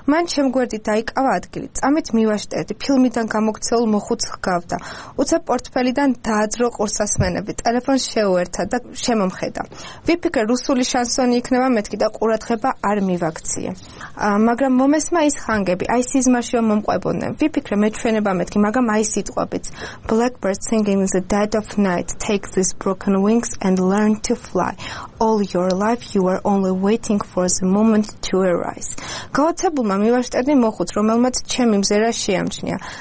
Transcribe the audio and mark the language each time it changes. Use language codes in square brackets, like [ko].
[ka] მან ჩემგვერდი დაიკავა ადგილი. წამით მივაშტერდი, ფილმიდან გამოქცეულ მოხუც ჰგავდა. უცებ პორტფელიდან დააძრო ყურსასმენები, ტელეფონს შეუერთა და შემომხედა. ვიფიქრე, რუსული შანსონი იქნება მეთქი და ყურადღება არ მივაქციე. მაგრამ მომესმა ის ხანგები, აი სიზმარშიო მომყვებოდნენ. ვიფიქრე, მეჩვენება მეთქი, მაგრამ აი სიტყვებიც. [en] Blackbird singing in the dead of night, take these broken wings and learn to fly. All your life you are only waiting for the moment to arise. [ka] გაოცებულმა მივაშტერნი მოხუც, რომელმაც ჩემი მზერა შეამჩნია.